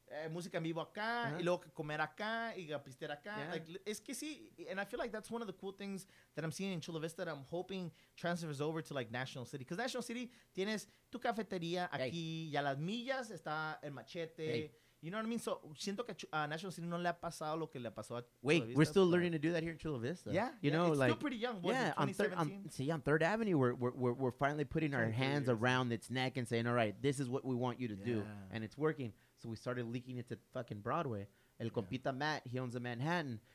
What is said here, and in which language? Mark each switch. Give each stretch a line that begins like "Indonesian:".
Spanish: música en vivo acá, y luego comer acá, y pistear acá.
English: Yeah. Like,
Spanish: es que sí,
English: and I feel like that's one of the cool things that I'm seeing in Chula Vista that I'm hoping transfers over to, like, National City.
Spanish: Because National City, tienes tu cafetería aquí, y a las millas está el machete.
English: You know what I mean?
Spanish: So, siento que National City no le ha pasado lo que le pasó a Chula Vista.
English: Wait, we're still learning to do that here in Chula Vista. Yeah. You know, it's like... still pretty young. What, 2017? On Third Avenue, we're finally putting our hands around its neck and saying, all right, this is what we want you to do. And it's working. So, we started leaking it to fucking Broadway. El Compita Matt, he owns a Manhattan.